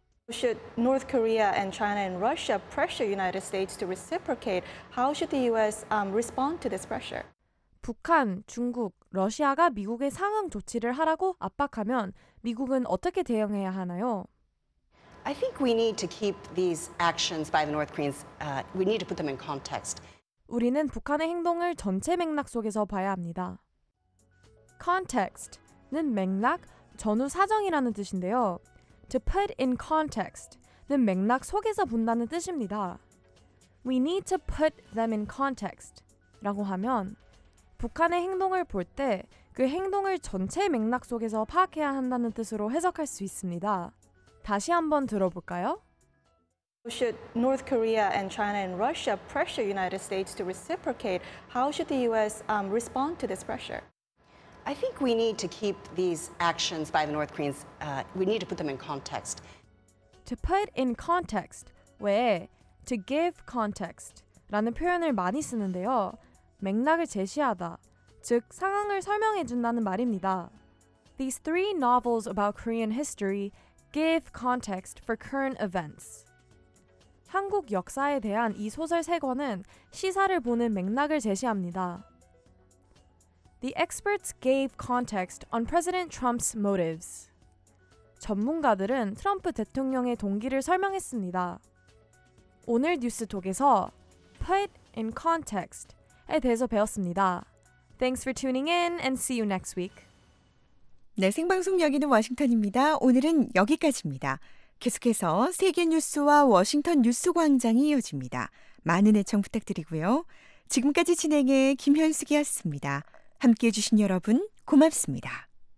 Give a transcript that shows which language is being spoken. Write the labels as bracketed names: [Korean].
[English] Should North Korea and China and Russia pressure United States to reciprocate? How should the U.S. respond to this pressure? [Korean] 북한, 중국, 러시아가 미국의 상응 조치를 하라고 압박하면 미국은 어떻게 대응해야 하나요? [English] I think we need to keep these actions by the North Koreans. We need to put them in context. [Korean] 우리는 북한의 행동을 전체 맥락 속에서 봐야 합니다. Context는 맥락, 전후 사정이라는 뜻인데요. [English] To put in context [Korean] 는 맥락 속에서 본다는 뜻입니다. [English] We need to put them in context [Korean] 라고 하면 북한의 행동을 볼 때 그 행동을 전체 맥락 속에서 파악해야 한다는 뜻으로 해석할 수 있습니다. 다시 한번 들어볼까요? [English] Should North Korea and China and Russia pressure United States to reciprocate? How should the U.S. respond to this pressure? I think we need to keep these actions by the North Koreans. We need to put them in context. To put in context [Korean] 외에 [English] to give context [Korean] 라는 표현을 많이 쓰는데요. 맥락을 제시하다, 즉 상황을 설명해준다는 말입니다. [English] These three novels about Korean history give context for current events. [Korean] 한국 역사에 대한 이 소설 세 권은 시사를 보는 맥락을 제시합니다. [English] The experts gave context on President Trump's motives. [Korean] 전문가들은 트럼프 대통령의 동기를 설명했습니다. 오늘 뉴스톡에서 put in context 에 대해서 배웠습니다. [English] Thanks for tuning in and see you next week. [Korean] 네, 생방송 여기는 워싱턴입니다. 오늘은 여기까지입니다. 계속해서 세계 뉴스와 워싱턴 뉴스 광장이 이어집니다. 많은 애청 부탁드리고요. 지금까지 진행해 김현숙이었습니다. 함께해 주신 여러분 고맙습니다.